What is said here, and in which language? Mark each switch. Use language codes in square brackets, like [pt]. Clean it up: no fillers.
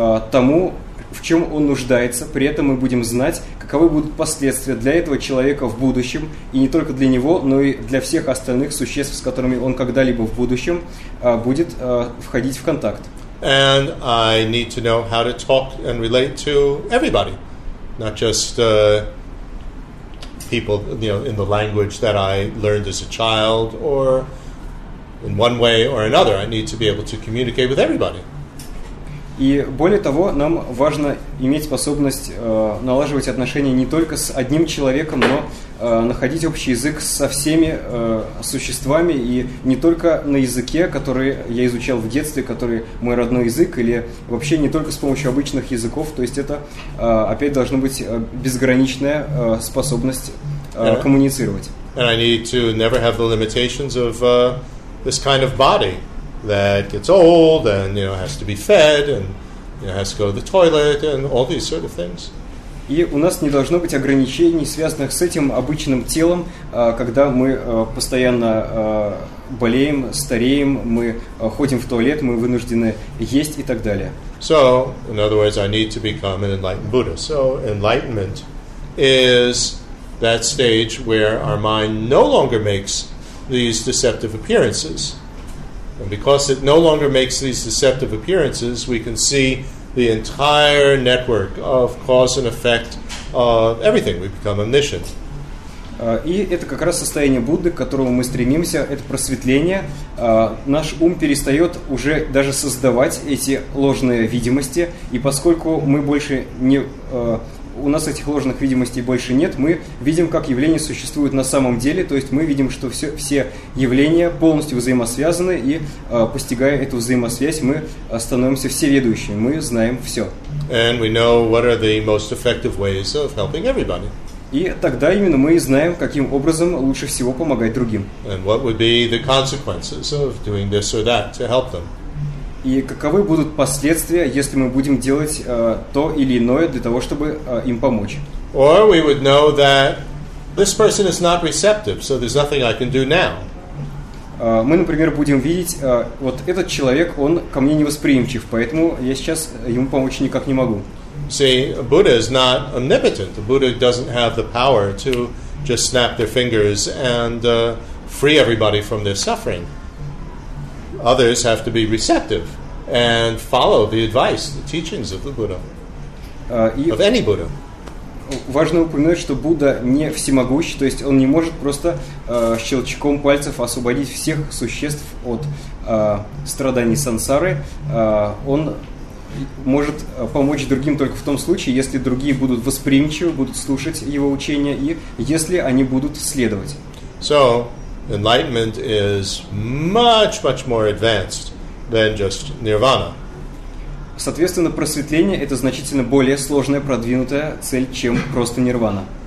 [ru] тому, в чем он нуждается, при этом мы будем знать, каковы будут последствия для этого человека в будущем, и не только для него, но и для всех остальных существ, с которыми он когда-либо в будущем будет входить в контакт. [en] And I need to know how to talk and relate to everybody, not just people, you know, in the language that I learned as a child, or in one way or another. I need to be able to communicate with everybody. [ru] И более того, нам важно иметь способность налаживать отношения не только с одним человеком, но находить общий язык со всеми существами, и не только на языке, который я изучал в детстве, который мой родной язык, или вообще не только с помощью обычных языков. То есть это опять должна быть безграничная способность коммуницировать. [en] And I need to never have the limitations of this kind of body. That gets old and, you know, has to be fed and, you know, has to go to the toilet and all these sort of things. [ru] И у нас не должно быть ограничений, связанных с этим обычным телом, когда мы постоянно болеем, стареем, мы ходим в туалет, мы вынуждены есть и так далее. [en] So, in other words, I need to become an enlightened Buddha. So, enlightenment is that stage where our mind no longer makes these deceptive appearances. And because it no longer makes these deceptive appearances, we can see the entire network of cause and effect of everything. We become omniscient. [ru] И это как раз состояние Будды, к которому мы стремимся, это просветление. Наш ум перестает уже даже создавать эти ложные видимости, и поскольку мы больше не, у нас этих ложных видимостей больше нет, мы видим, как явления существуют на самом деле, то есть мы видим, что все явления полностью взаимосвязаны, и постигая эту взаимосвязь, мы становимся всеведущими, мы знаем все. [en] And we know what are the most effective ways of helping everybody. [ru] И тогда именно мы и знаем, каким образом лучше всего помогать другим. [en] And what would be the consequences of doing this or that to help them? [ru] И каковы будут последствия, если мы будем делать то или иное для того, чтобы им помочь? [en] Or we would know that this person is not receptive, so there's nothing I can do now. [ru] Мы, например, будем видеть, вот этот человек, он ко мне не восприимчив, поэтому я сейчас ему помочь никак не могу. [en] See, a Buddha is not omnipotent. A Buddha doesn't have the power to just snap their fingers and free everybody from their suffering. Others have to be receptive and follow the advice, the teachings of the Buddha, of any Buddha. [ru] Важно упомянуть, что Будда не всемогущий, то есть он не может просто щелчком пальцев освободить всех существ от страданий сансары. Он может помочь другим только в том случае, если другие будут восприимчивы, будут слушать его учения, и если они будут следовать. [en] So, enlightenment is much, much more advanced than just nirvana. [ru] Соответственно, просветление – это значительно более сложная, продвинутая цель, чем просто нирвана.